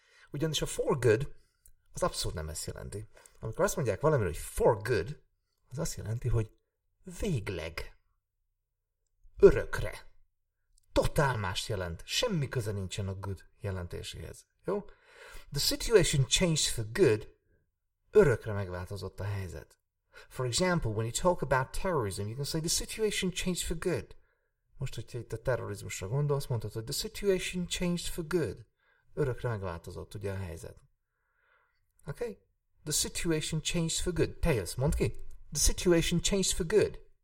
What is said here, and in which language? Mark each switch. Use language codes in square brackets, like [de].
[hu] Ugyanis a for good az abszolút nem ezt jelenti. Amikor azt mondják valamire, hogy for good, az azt jelenti, hogy végleg. Örökre. Totál más jelent. Semmi köze nincsen a good jelentéséhez. Jó? [en] The situation changed for good. [hu] Örökre megváltozott a helyzet. [en] For example, when you talk about terrorism, you can say the situation changed for good. [hu] Most, hogyha itt a terrorizmusra gondolsz, mondhatod, hogy [en] the situation changed for good. [hu] Örökre megváltozott ugye a helyzet. [en] Okay? The situation changed for good. [hu] Teljes, mondd ki. [en] The situation changed for good.